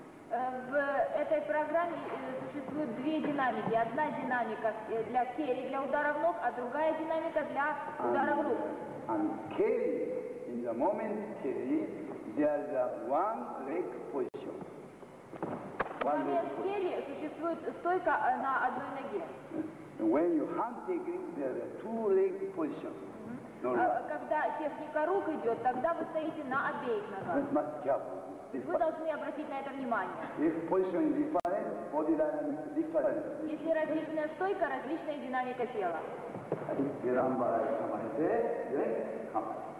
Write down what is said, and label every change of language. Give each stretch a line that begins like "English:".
Russian: В этой программе существуют две динамики. Одна динамика для carry, для ударов ног, а другая динамика для ударов рук.
English: And carry, in the moment carry, there is one leg position.
Russian: В момент carry существует стойка на одной ноге.
English: When you hand technique, there are two leg positions.
Russian: Когда техника рук идет, тогда вы стоите на обеих ногах. Вы должны обратить на это внимание.
English: If position is different, body dynamic is different.
Russian: Если различная стойка, различная динамика тела.
English: If you remember, I come and say, then come.